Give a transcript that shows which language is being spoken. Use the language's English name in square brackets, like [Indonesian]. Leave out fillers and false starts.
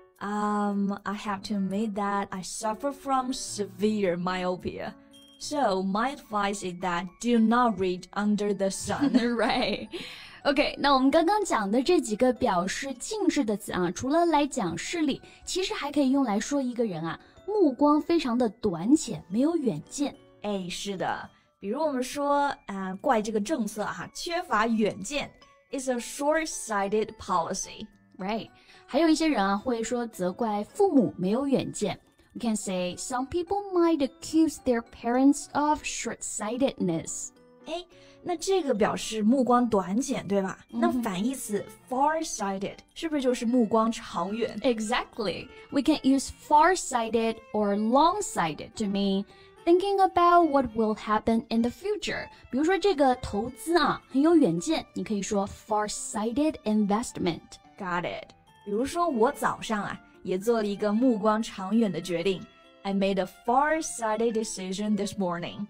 [English] I have to admit that I suffer from severe myopia. So, my advice is that do not read under the sun. Right. [Chinese] Okay, 那我们刚刚讲的这几个表示近视的词啊，除了来讲视力，其实还可以用来说一个人啊，目光非常的短浅，没有远见。哎，是的。比如我们说、怪这个政策、缺乏远见 [English] It's a short-sighted policy Right [Chinese] 还有一些人、会说责怪父母没有远见 [English] We can say Some people might accuse their parents of short-sightedness [Chinese] 哎，那这个表示目光短浅对吧、mm-hmm. 那反义词 far-sighted 是不是就是目光长远 [English] Exactly We can use far-sighted or long-sighted to meanThinking about what will happen in the future. [Chinese] 比如说这个投资啊很有远见你可以说 [English] far-sighted investment. Got it. [Chinese] 比如说我早上啊也做了一个目光长远的决定。 [English] I made a far-sighted decision this morning.